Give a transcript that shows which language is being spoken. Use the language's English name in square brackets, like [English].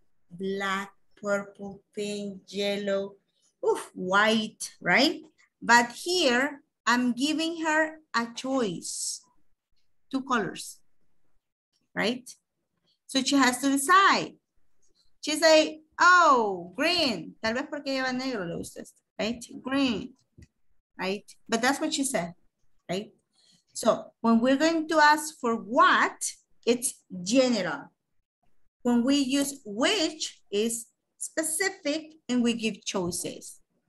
[English] Black, purple, pink, yellow, white, right? But here I'm giving her a choice, two colors, right? So she has to decide. She say, oh, green. [Spanish] Tal vez porque lleva negro, le gusta esto, right? [English] Green, right? But that's what she said, right? So when we're going to ask for what, it's general. When we use which, is specific, and we give choices.